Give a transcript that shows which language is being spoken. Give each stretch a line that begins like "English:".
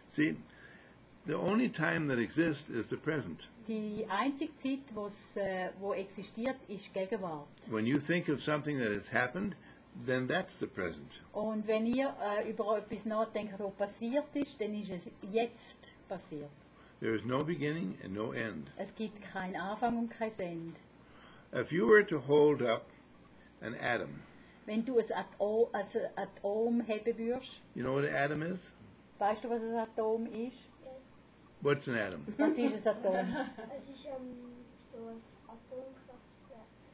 English: See, the only time that exists is the present.
German: Die einzige Zeit, wo existiert, ist Gegenwart.
English: When you think of something that has happened, then that's the present.
German: Und wenn ihr über etwas nachdenkt, was passiert ist, dann ist es jetzt passiert.
English: There is no beginning and no end.
German: Es gibt keinen Anfang und kein Ende.
English: If you were to hold up an atom,
German: wenn du ein Atom heben würdest,
English: you know what an atom is?
German: Weißt du, was ein Atom ist?
English: Yes. What's an atom?
German: Was ist ein Atom? Es ist so ein Atomkraftwerk.